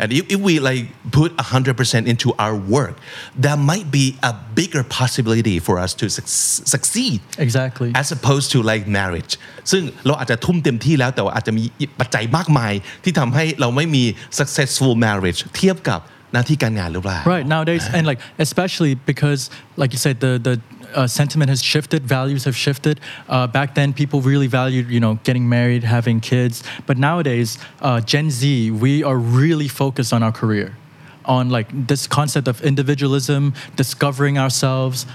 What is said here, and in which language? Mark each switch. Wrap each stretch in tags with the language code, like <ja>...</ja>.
<en>and if we like put 100% into our work that might be a bigger possibility for us to succeed exactly as opposed to like marriage</en> <th>ซึ่งเราอาจจะทุ่มเต็มที่แล้วแต่ว่าอาจจะมีปัจจัยมากมายที่ทำให้เราไม่มี</th> <en>successful marriage</en> <th>เทียบกับหน้าที่การงานหรือเปล่า</th> <en>right nowadays and like especially because like you said the sentiment has shifted, values have shifted. Back then, people really valued, you know, getting married, having kids. But nowadays, Gen Z, we are really focused on our career, on like this concept of individualism, discovering ourselves.</en>